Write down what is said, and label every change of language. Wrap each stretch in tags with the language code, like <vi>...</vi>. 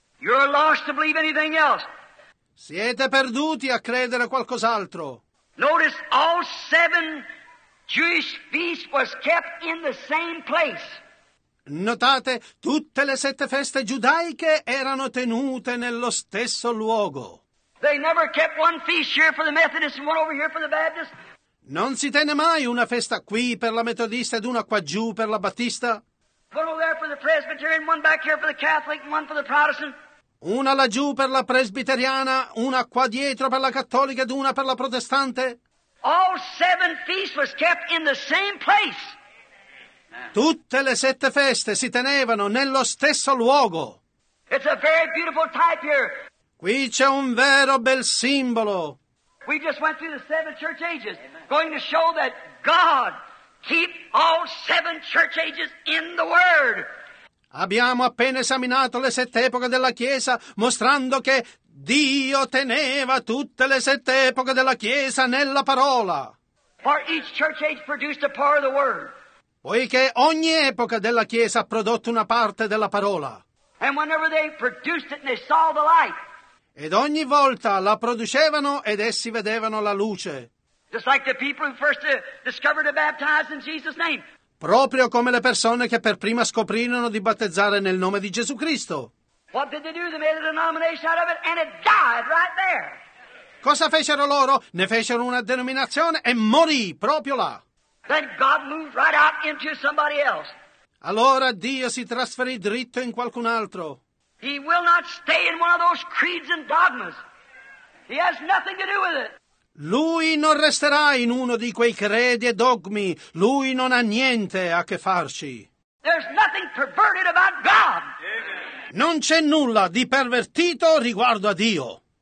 <en>You're lost to believe anything else.</en> <it>Siete perduti a credere a qualcos'altro.</it> <en>Notice all seven Jewish feasts was kept in the same place.</en> <it>Notate, tutte le sette feste giudaiche erano tenute nello stesso luogo.</it> <en>They never kept one feast here for the Methodists and one over here for the Baptists.</en> <it>Non si tenne mai una festa qui per la metodista ed una qua giù per la battista?</it> <en>One over there for the Presbyterian, one back here for the Catholic, one for the Protestant.</en> <it>Una laggiù per la presbiteriana, una qua dietro per la cattolica ed una per la protestante?</it> <en>All seven feasts was kept in the same place.</en> <it>Tutte le sette feste si tenevano nello stesso luogo.</it> <en>It's a very beautiful type here.</en> <it>Qui c'è un vero bel simbolo.</it> <en>We just went through the seven church ages. Amen. Going to show that God keep all seven church ages in the Word.</en> <it>Abbiamo appena esaminato le sette epoche della Chiesa, mostrando che Dio teneva tutte le sette epoche della Chiesa nella parola.</it> <en>For each church age produced a part of the Word.</en> <it>Poiché ogni epoca della Chiesa ha prodotto una parte della parola.</it> <en>And whenever they produced it and they saw the light.</en> <it>Ed ogni volta la producevano ed essi vedevano la luce.</it> <en>Just like the people who first discovered to baptize in Jesus' name.</en> <it>Proprio come le persone che per prima scoprirono di battezzare nel nome di Gesù Cristo.</it> <en>What did they do? They made a denomination out of it and it died right there.</en> <it>Cosa fecero loro? Ne fecero una denominazione e morì proprio là.</it> <en>Then God moved right out into somebody else.</en> <it>Allora Dio si trasferì dritto in qualcun altro.</it> <en>He will not stay in one of those creeds and dogmas. He has nothing to do with it.</en> <it>Lui non resterà in uno di quei credi e dogmi. Lui non ha niente a che farci.</it> <en>There's nothing perverted about God.</en> <it>Non c'è nulla di pervertito riguardo a Dio.</it>